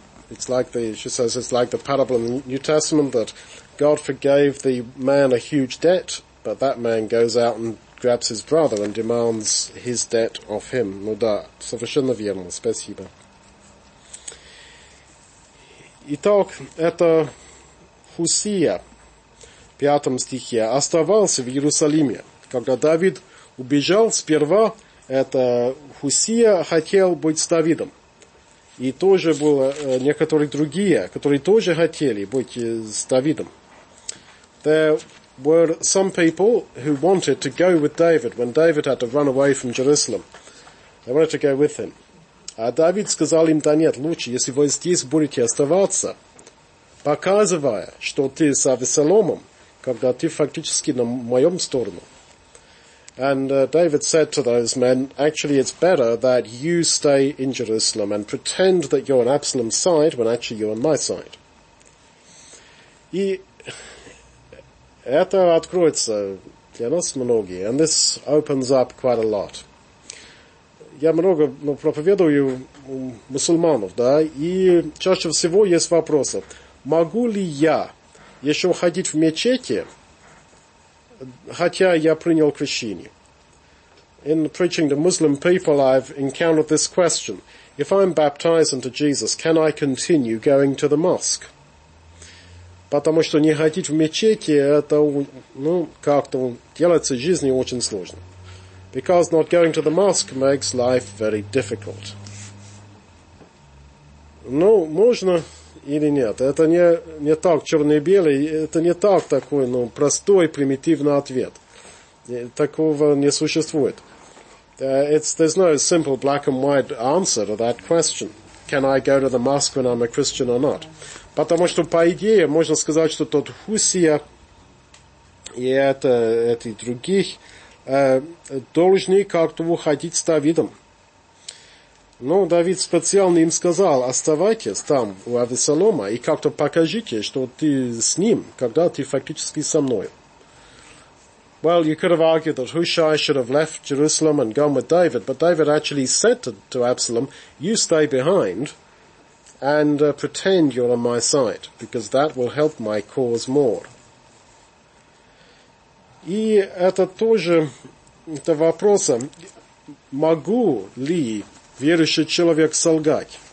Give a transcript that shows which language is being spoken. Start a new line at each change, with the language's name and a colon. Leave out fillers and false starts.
English: It's like the, she says, it's like the parable in the New Testament that God forgave the man a huge debt, but that man goes out and grabs his brother and demands his debt of him.
Russian: Ну да, совершенно верно, спасибо. Итак, это Хусия, в 5 стихе, оставался в Иерусалиме. Когда Давид убежал, сперва это Хусия хотел быть с Давидом. И тоже было некоторые другие, которые тоже хотели быть с Давидом.
English: Were some people who wanted to go with David when David had to run away from Jerusalem. They wanted to go with him.
Russian: А Давид сказал им, да нет, лучше, если вы здесь будете оставаться, показывая, что ты с Авессаломом, когда ты фактически на моем сторону.
English: And David said to those men, actually it's better that you stay in Jerusalem and pretend that you're on Absalom's side when actually you're on my side.
Russian: И это откроется для нас многие,
English: and this opens up quite a lot.
Russian: Я много, ну, проповедую мусульманов, да, и чаще всего есть вопросы. Могу ли я еще ходить в мечети, хотя я принял крещение?
English: In preaching to Muslim people, I've encountered this question. If I'm baptized into Jesus, can I continue going to the mosque?
Russian: Потому что не ходить в мечети, это, ну, как-то делается жизни очень сложно.
English: Because not going to the mosque makes life very difficult.
Russian: Ну, можно или нет. Это не так черно-белый, это не так такой, ну, простой, примитивный ответ. Такого не существует.
English: There's no simple black and white answer to that question. Can I go to the mosque when I'm a Christian or not?
Russian: Потому что, по идее, можно сказать, что тот Хусия и эти других должны как-то уходить с Давидом. Но Давид специально им сказал, оставайтесь там у Авессалома и как-то покажите, что ты с ним, когда ты фактически со мной.
English: Well, you could have argued that Hushai should have left Jerusalem and gone with David, but David actually said to Absalom, you stay behind and pretend you're on my side, because that will help my cause more.
Russian: И это тоже это вопрос, могу ли верующий человек солгать?